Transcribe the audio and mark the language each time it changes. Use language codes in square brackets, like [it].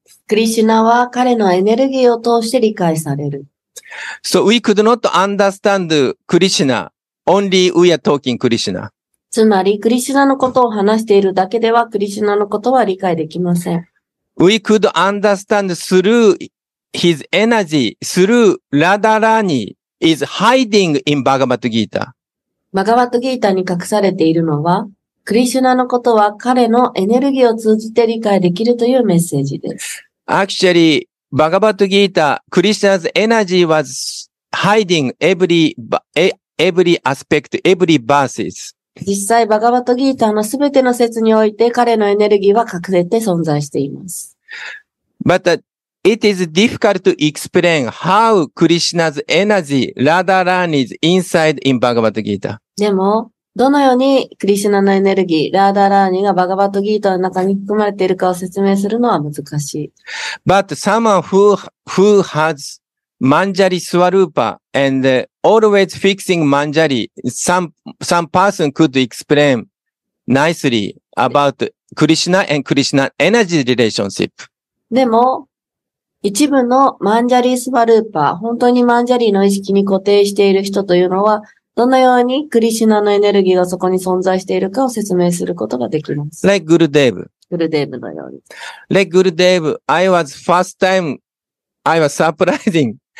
[ja] クリシュナは彼のエネルギーを通して理解される。 [en] So we could not understand Krishna, only we are talking Krishna. [ja] つまり、クリシュナのことを話しているだけではクリシュナのことは理解できません。 [en] We could understand through his energy, through Radharani is hiding in Bhagavad Gita. [ja] Bhagavad Gita に隠されているのは、クリシュナのことは彼のエネルギーを通じて理解できるというメッセージです。 [en] Actually, Bhagavad Gita, Krishna's energy was hiding every aspect, every verses. [ja] 実際、Bhagavad Gita のすべての説において彼のエネルギーは隠れて存在しています。 [en] But, it is difficult to explain how Krishna's energy, Radharani's inside in Bhagavad Gita. [ja] でも、どのようにクリシュナのエネルギー、ラーダーラーニがバガバットギータの中に含まれているかを説明するのは難しい。 [en] But someone who has Manjari Swarupa and always fixing Manjari, some person could explain nicely about Krishna and Krishna energy relationship. [ja] でも、一部のマンジャリスワルーパー、本当にマンジャリの意識に固定している人というのは、どのようにクリシナのエネルギーがそこに存在しているかを説明することができます。 [en] レッグルデーブ。 [ja] グルデーブのように。 [en] レッグルデーブ、I was first time, I was surprising.